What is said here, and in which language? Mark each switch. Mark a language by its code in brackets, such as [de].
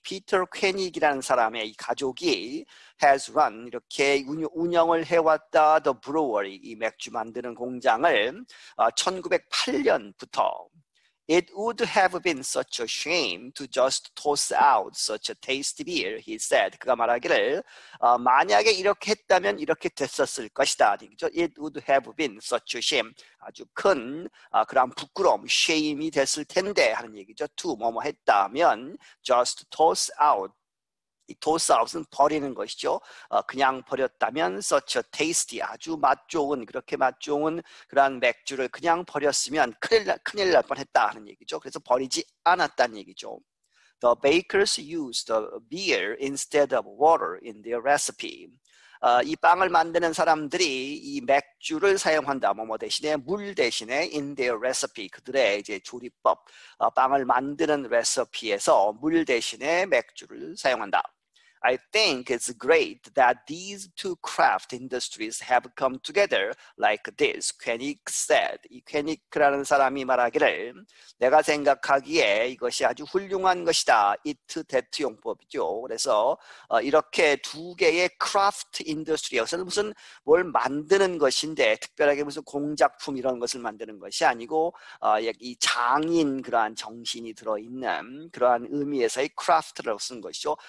[ko] Peter Koenig이라는 사람의 이 가족이 [en] has run [ko] 이렇게 운영을 해왔다 [en] the brewery [ko] 이 맥주 만드는 공장을 1908년부터. [en] It would have been such a shame to just toss out such a tasty beer, he said. [ko] 그가 말하기를 만약에 이렇게 했다면 이렇게 됐었을 것이다. [en] It would have been such a shame. [ko] 아주 큰 그런 부끄러움, shame이 됐을 텐데 하는 얘기죠. To 뭐뭐 했다면 [en] just toss out. [ko] 이 toss out은 버리는 것이죠. 그냥 버렸다면 [en] such a tasty, [ko] 아주 맛 좋은, 그렇게 맛 좋은 그러한 맥주를 그냥 버렸으면 큰일 날 뻔했다 하는 얘기죠. 그래서 버리지 않았다는 얘기죠. [en] The bakers used beer instead of water in their recipe. [ko] 이 빵을 만드는 사람들이 이 맥주를 사용한다. 뭐뭐 대신에 물 대신에 [en] in their recipe [ko] 그들의 이제 조리법 빵을 만드는 레시피에서 물 대신에 맥주를 사용한다. [en] I think it's great that these two craft industries have come together like this, Koenig said. [ko] 이 Koenig라는 사람이 말하기를 내가 생각하기에 이것이 아주 훌륭한 것이다. It, that 용법이죠. 그래서 이렇게 두 개의 [en] craft industry, [ko] 무슨 뭘 만드는 것인데 특별하게 무슨 공작품 이런 것을 만드는 것이 아니고 이 장인 그러한 정신이 들어있는 그러한 의미에서의 craft라고 쓴 것이죠.